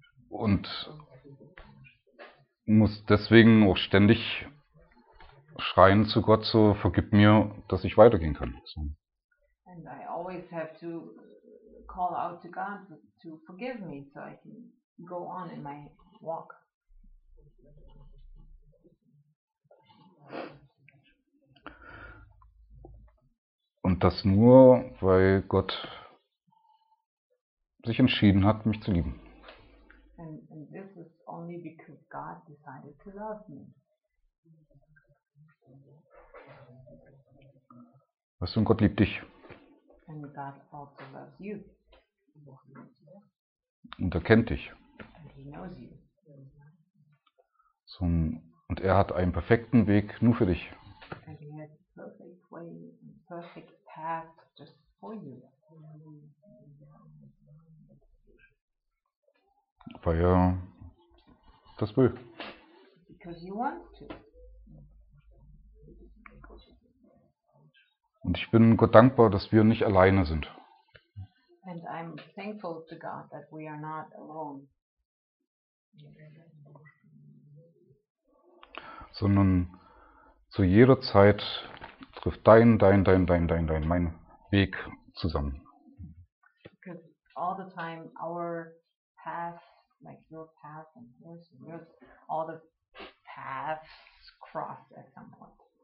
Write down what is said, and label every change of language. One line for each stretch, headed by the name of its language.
German: Und muss deswegen auch ständig schreien zu Gott, so vergib mir, dass ich weitergehen kann. So.
English: And I always have to call out to God to forgive me, so I can go on in my walk.
German: Und das nur, weil Gott sich entschieden hat, mich zu lieben.
English: And this is only because God decided to love me.
German: Weißt du, Gott liebt dich.
English: And God also loves you.
German: Und er kennt dich.
English: And he knows you.
German: So, und er hat einen perfekten Weg nur für dich.
English: And he has a perfect way, a perfect path just for you.
German: Weil er das will.
English: Because you want to.
German: Und ich bin Gott dankbar, dass wir nicht alleine sind.
English: And I'm thankful to God that we are not alone.
German: Sondern zu jeder Zeit trifft dein Weg zusammen.
English: Because all the time our path, like your path and yours and yours, all the paths cross at some point.